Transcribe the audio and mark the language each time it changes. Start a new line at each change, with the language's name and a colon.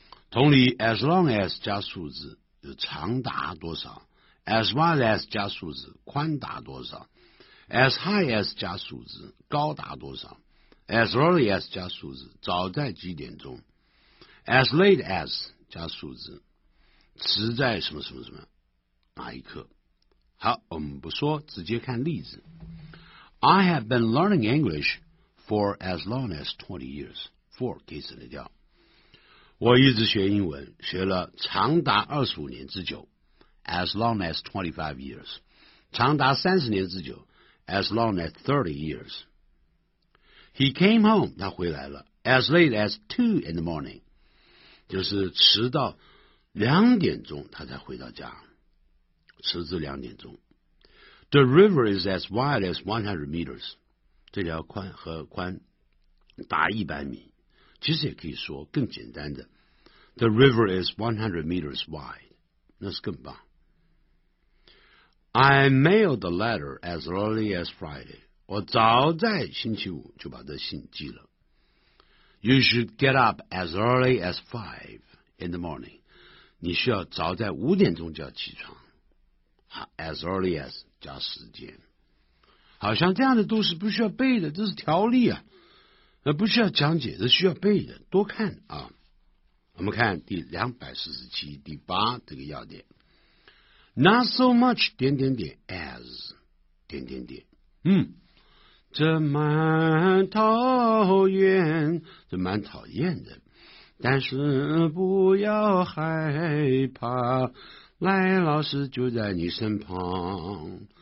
Chinese: 同理
English: as long as
Chinese: 加数字就长达多少，
English: as wide as
Chinese: 加数字宽达多少，
English: as high as
Chinese: 加数字高达多少，
English: as early as
Chinese: 加数字早在几点钟，
English: as late as
Chinese: 加数字迟在什么什么什么哪一刻。好，我们不说，直接看例子。
English: I have been learning English for as long as 20 years， for
Chinese: 可以省得掉。我一直学英文，学了长达25年之久 ，
English: as long as 25 years，
Chinese: 长达30年之久 ，
English: as long as 30 years。 He came home，
Chinese: 他回来了 ，
English: as late as 2 in the morning，
Chinese: 就是迟到2点钟他才回到家，迟至2点钟。
English: The river is as wide as 100 meters。
Chinese: 这条宽和宽达100米，其实也可以说更简单的
English: The river is 100 meters wide，
Chinese: 那是更棒。
English: I mailed the letter as early as Friday，
Chinese: 我早在星期五就把这信寄了。
English: You should get up as early as 5 in the morning，
Chinese: 你需要早在5点钟就要起床。 As early as 加时间，好像这样的都是不需要背的，这是条例啊，不需要讲解，这需要背的，多看啊。我们看第247第八这个要点 ，
English: Not so much
Chinese: 点点点 as 点点点，这蛮讨厌，这蛮讨厌的，但是不要害怕，赖老师就在你身旁。